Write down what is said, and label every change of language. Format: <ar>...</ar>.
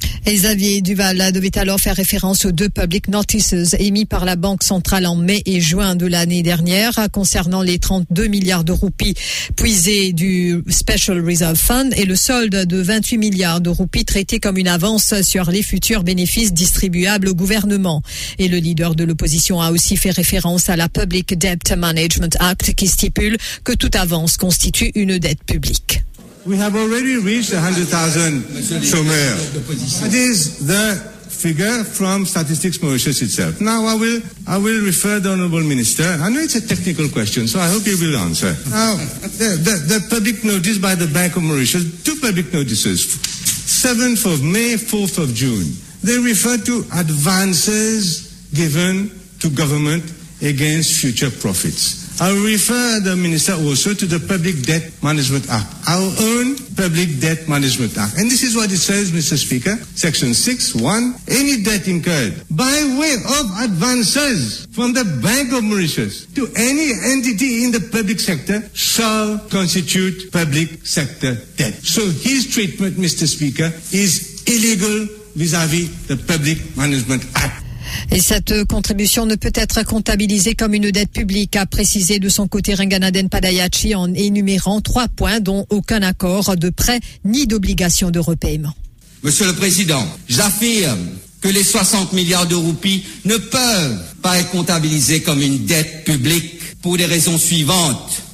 <fr>Et Xavier Duval devait alors faire référence aux deux public notices émis par la Banque centrale en mai et juin de l'année dernière concernant les 32 milliards de roupies puisées du Special Reserve Fund et le solde de 28 milliards de roupies traité comme une avance sur les futurs bénéfices distribuables au gouvernement. Et le leader de l'opposition a aussi fait référence à la Public Debt Management Act qui stipule que toute avance constitue une dette publique.</fr> <en>We have already reached 100,000</en> <fr>chômeurs.</fr> <en>That is the figure from Statistics Mauritius itself. Now I will refer the Honourable Minister. I know it's a technical question, so I hope you will answer. Now, the public notice by the Bank of Mauritius, two public notices, 7th of May, 4th of June, they refer to advances given to government against future profits. I refer the minister also to the Public Debt Management Act, our own Public Debt Management Act. And this is what it says, Mr. Speaker, Section 6.1, any debt incurred by way of advances from the Bank of Mauritius to any entity in the public sector shall constitute public sector debt. So his treatment, Mr. Speaker, is illegal vis-à-vis the Public Management Act.</en> <fr>Et cette contribution ne peut être comptabilisée comme une dette publique, a précisé de son côté Ranganathan Padayachi en énumérant trois points dont aucun accord de prêt ni d'obligation de repaiement. Monsieur le Président, j'affirme que les 60 milliards de roupies ne peuvent pas être comptabilisés comme une dette publique pour les raisons suivantes.</fr>